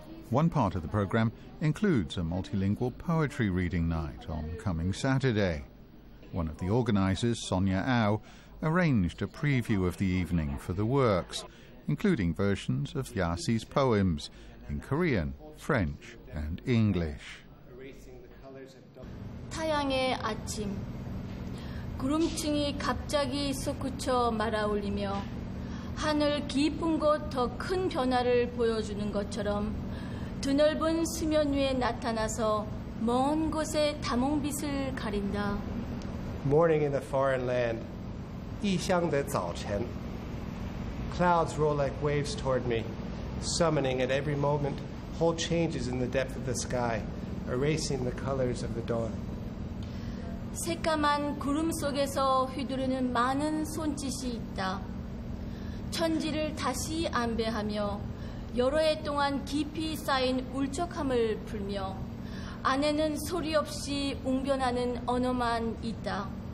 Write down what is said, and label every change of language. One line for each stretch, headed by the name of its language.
English: One part of the program includes a multilingual poetry reading night on coming Saturday. One of the organizers, Sonia Au, arranged a preview of the evening for the works, including versions of Yasi's poems, in Korean, French, and English.
Korean: 타양의 아침, 구름층이 갑자기 솟구쳐 말아올리며 하늘 깊은 곳 더 큰 변화를 보여주는 것처럼 드넓은 수면 위에 나타나서 먼 곳의 다몽빛을 가린다.
English: Morning in the foreign land,
Chinese: 异乡的早晨.
English: Clouds roll like waves toward me. Summoning at every moment whole changes in the depth of the sky, erasing the colors of the dawn.
Korean: 새까만 구름 속에서 휘두르는 많은 손짓이 있다. 천지를 다시 안배하며 여러 해 동안 깊이 쌓인 울적함을 풀며 안에는 소리 없이 웅변하는 언어만 있다.